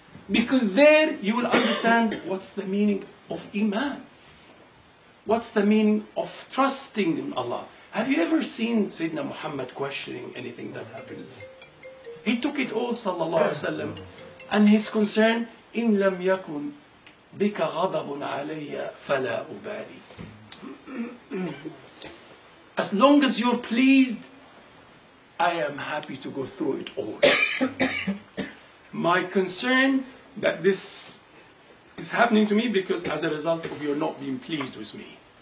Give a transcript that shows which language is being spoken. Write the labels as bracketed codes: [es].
[en] Because there you will understand what's the meaning of Iman. What's the meaning of trusting in Allah. Have you ever seen Sayyidina Muhammad questioning anything that happened? He took it all, sallallahu alayhi wa sallam. And his concern, [ar] إِن لَمْ يَكُنْ بِكَ غَضَبٌ عَلَيَّ فَلَا أُبَالِي. [en] As long as you're pleased, I am happy to go through it all. My concern that this is happening to me because as a result of your not being pleased with me.